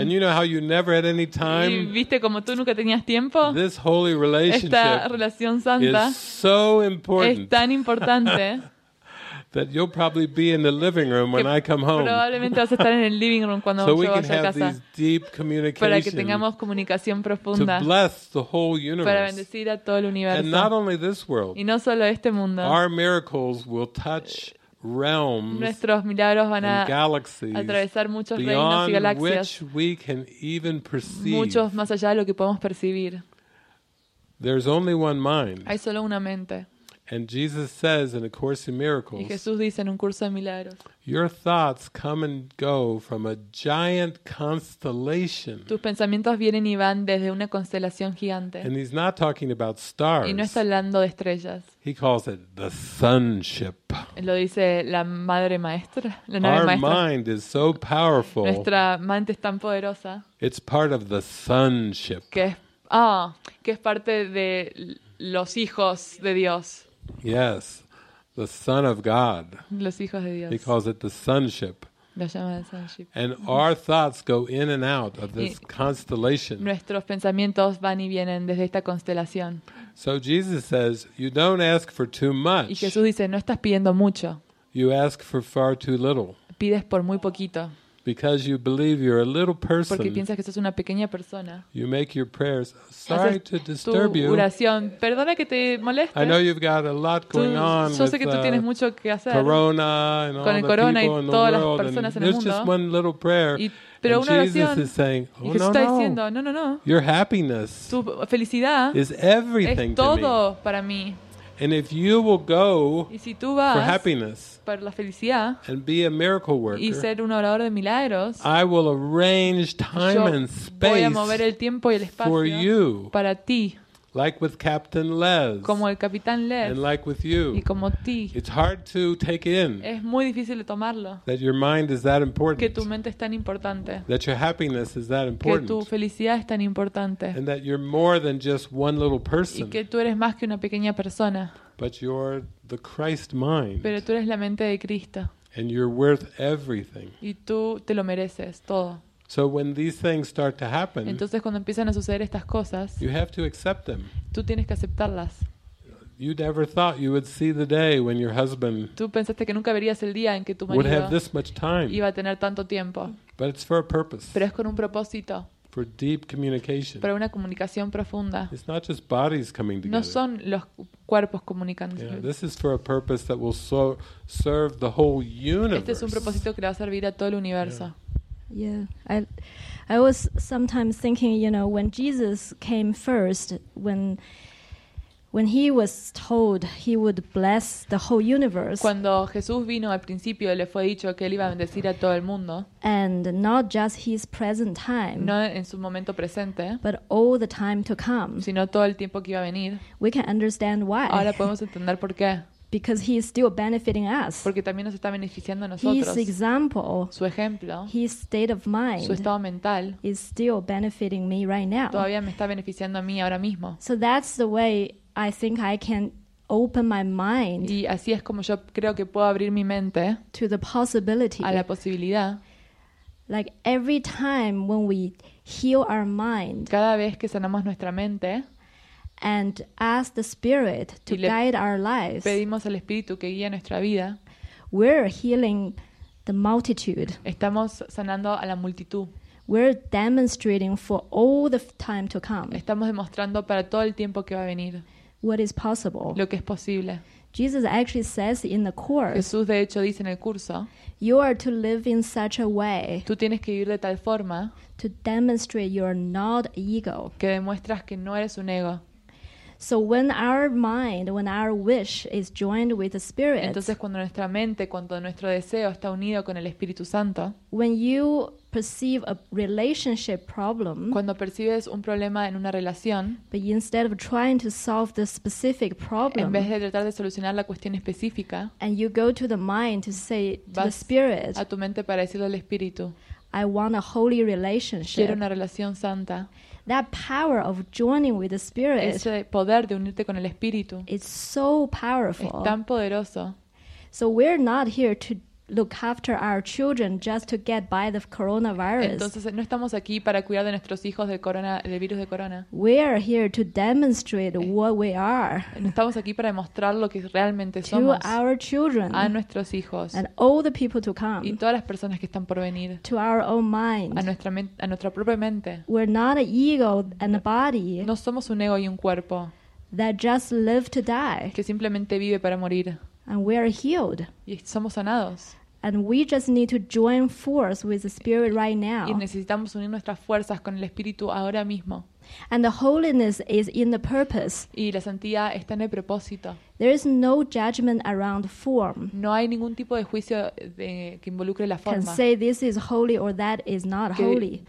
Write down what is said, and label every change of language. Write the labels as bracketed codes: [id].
[en] And you know how you never had any time. [es] Y viste como tú nunca tenías tiempo. [en] This holy relationship. [es] Esta relación santa. [en] Is so important. [es] Es tan importante. [en] That you'll probably be in the living room when I come home. [es] Probablemente vas a estar en el living room cuando [en] so [es] yo vaya a casa. [en] So we can have these deep communications. [es] Para que tengamos comunicación profunda. [en] To bless the whole universe. [es] Para bendecir a todo el universo. [en] And not only this world. [es] Y no solo este mundo. [en] Our miracles will touch realms. [es] Nuestros milagros van a [en] galaxies [es] atravesar muchos reinos y galaxias. [en] Beyond which we can even perceive. [es] Muchos más allá de lo que podemos percibir. [en] There's only one mind. [es] Hay solo una mente. [en] And Jesus says in A Course in Miracles, [es] y Jesús dice en un curso de milagros, [en] your thoughts come and go from a giant constellation. [es] Tus pensamientos vienen y van desde una constelación gigante. [en] And he's not talking about stars. [es] Y no está hablando de estrellas. [en] He calls it the sonship. [es] Lo dice la madre maestra, la nave maestra. [en] Our mind is so powerful. [es] Nuestra mente es tan poderosa. [en] It's part of the sonship. [es] Que es parte de los hijos de Dios. [en] Yes, the Son of God. [es] Los hijos de Dios. [en] He calls it the sonship. [es] Lo llama el sonship. [en] And our thoughts go in and out of this constellation. [es] Nuestros pensamientos van y vienen desde esta constelación. [en] So Jesus says, you don't ask for too much. [es] Y Jesús dice, no estás pidiendo mucho. [en] You ask for far too little. [es] Pides por muy poquito. [en] Because you believe you're a little person. [es] Porque piensas que sos una pequeña persona. [en] You make your prayers. Sorry to disturb you. [es] Tu oración. Perdona que te moleste. [en] I know you've got a lot going on. [es] Yo sé que tú tienes mucho que hacer. [en] Corona and [es] con [en] all [es] el corona [en] the people [es] y [en] in the world. [es] Todas las personas [en] and [es] en el [en] there's [es] mundo. [en] Just one little prayer. [es] Pero una oración. [en] Jesus is saying, oh, [es] y Jesús [en] no, [es] está diciendo, no. [en] Your happiness. [es] Tu felicidad. [en] Is everything [es] es todo [en] to me. [es] Para mí. [en] And if you will go [es] y si tú vas [en] for happiness [es] para la felicidad [en] and be a miracle worker, [es] y ser un orador de milagros, [en] I will arrange time and space [es] voy a mover el tiempo y el espacio [en] for you, [es] para ti, [en] like with Captain Les, [es] como el Capitán Les, [en] and like with you. [es] Y como ti. [en] It's hard to take in [es] es muy difícil de tomarlo, [en] that your mind is that important, [es] que tu mente es tan importante, [en] that your happiness is that important, [es] que tu felicidad es tan importante, [en] and that you're more than just one little person, [es] y que tú eres más que una pequeña persona, [en] but you're the Christ mind, [es] pero tú eres la mente de Cristo, [en] and you're worth everything, [es] y tú te lo mereces todo. [en] So when these things start to happen, [es] entonces cuando empiezan a suceder estas cosas, [en] you have to accept them. [es] Tú tienes que aceptarlas. [en] You never thought you would see the day when your husband. [es] Tú pensaste que nunca verías el día en que tu marido [en] would have this much time. [es] Iba a tener tanto tiempo. [en] But it's for a purpose. [es] Pero es con un propósito. [en] For deep communication. [es] Para una comunicación profunda. [en] It's not just bodies coming together. [es] No son los cuerpos comunicándose. [en] Yeah, this is for a purpose that will serve the whole universe. [es] Este es un propósito que le va a servir a todo el universo. [en] Yeah. Yeah, I was sometimes thinking, you know, when Jesus came first, when he was told he would bless the whole universe. [es] Cuando Jesús vino al principio, le fue dicho que él iba a bendecir a todo el mundo. [en] And not just his present time. [es] No en su momento presente. [en] But all the time to come. [es] Sino todo el tiempo que iba a venir. [en] We can understand why. [es] Ahora podemos entender por qué. [en] Because he is still benefiting us. [es] Porque también nos está beneficiando a nosotros. [en] His example, [es] su ejemplo, [en] his state of mind, [es] su estado mental, [en] is still benefiting me right now. [es] Todavía me está beneficiando a mí ahora mismo. [en] So that's the way I think I can open my mind. [es] Y así es como yo creo que puedo abrir mi mente [en] to the possibility. [es] A la posibilidad. [en] Like every time when we heal our mind. [es] Cada vez que sanamos nuestra mente. [en] And ask the Spirit to guide our lives. [es] Pedimos al Espíritu que guíe nuestra vida. [en] We're healing the multitude. [es] Estamos sanando a la multitud. [en] We're demonstrating for all the time to come. [es] Estamos demostrando para todo el tiempo que va a venir. [en] What is possible. [es] Lo que es posible. [en] Jesus actually says in the course. [es] Jesús de hecho dice en el curso. [en] You are to live in such a way. [es] Tú tienes que vivir de tal forma. [en] To demonstrate you are not ego. [es] Que demuestras que no eres un ego. [en] So when our mind, when our wish is joined with the Spirit. [es] Entonces cuando nuestra mente, cuando nuestro deseo está unido con el Espíritu Santo. [en] When you perceive a relationship problem. [es] Cuando percibes un problema en una relación. [en] But instead of trying to solve the specific problem. [es] En vez de tratar de solucionar la cuestión específica. [en] And you go to the mind to say to the Spirit. [es] A tu mente para decirle al Espíritu. [en] I want a holy relationship. [es] Quiero una relación santa. [en] That power of joining with the Spirit. [es] Ese poder de unirte con el Espíritu. [en] It's so powerful. [es] Es tan poderoso. [en] So we're not here to look after our children just to get by the coronavirus. [es] Entonces no estamos aquí para cuidar de nuestros hijos del corona, del virus de corona. [en] We are here to demonstrate what we are. [es] Estamos aquí para demostrar lo que realmente somos. [en] To our children. [es] A nuestros hijos. [en] And all the people to come. [es] Y todas las personas que están por venir. [en] To our own mind. [es] A nuestra propia mente. [en] We're not an ego and a body. [es] No somos un ego y un cuerpo. [en] That just live to die. [es] Que simplemente vive para morir. [en] And we are healed. [es] Y somos sanados. [en] And we just need to join force with the Spirit right now. [es] Y necesitamos unir nuestras fuerzas con el Espíritu ahora mismo. [en] And the holiness is in the purpose. [es] Y la santidad está en el propósito. [en] There is no judgment around form. [es] No hay ningún tipo de juicio de, que involucre la forma. [en] Can say this is holy or that is not holy.